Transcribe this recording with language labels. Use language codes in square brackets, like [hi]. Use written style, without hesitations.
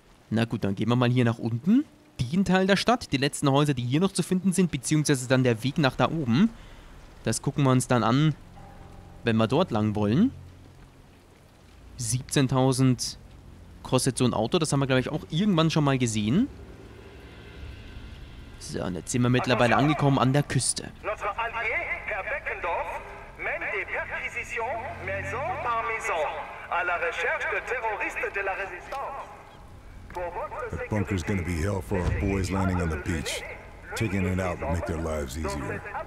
[de] Na gut, dann gehen wir mal hier nach unten. Den Teil der Stadt, die letzten Häuser, die hier noch zu finden sind, beziehungsweise dann der Weg nach da oben. Das gucken wir uns dann an, wenn wir dort lang wollen. 17.000... kostet so ein Auto. Das haben wir, glaube ich, auch irgendwann schon mal gesehen. So, und jetzt sind wir mittlerweile angekommen an der Küste. [fr] Notre allié, Herr Beckendorf, mène des perquisitions maison par maison à la recherche de terroristes de la résistance. [en] The bunker's gonna be hell for our boys landing on the beach. Taking it out will make their lives easier.